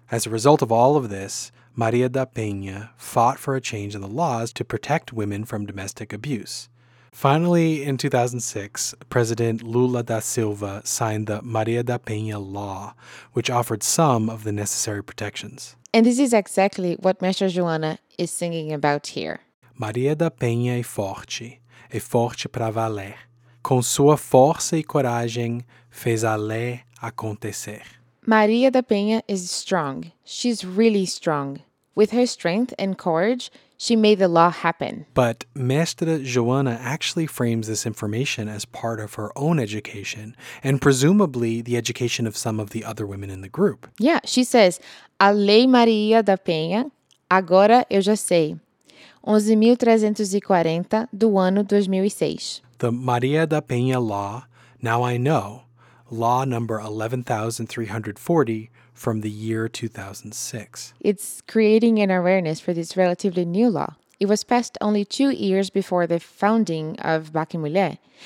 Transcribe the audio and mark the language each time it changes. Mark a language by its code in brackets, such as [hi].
[en] As a result of all of this, Maria da Penha fought for a change in the laws to protect women from domestic abuse. Finally, in 2006, President Lula da Silva signed the Maria da Penha Law, which offered some of the necessary protections. And this is exactly what Mestra Joana is singing about here. [pt] Maria da Penha é forte para valer. Com sua força e coragem, fez a lei acontecer. [en] Maria da Penha is strong. She's really strong. With her strength and courage, she made the law happen. But Mestra Joana actually frames this information as part of her own education, and presumably the education of some of the other women in the group. Yeah, she says, [pt] a Lei Maria da Penha, agora eu já sei. 11.340 do ano 2006. [en] The Maria da Penha Law, now I know. Law number 11,340 from the year 2006. It's creating an awareness for this relatively new law. It was passed only 2 years before the founding of Baque Mulher.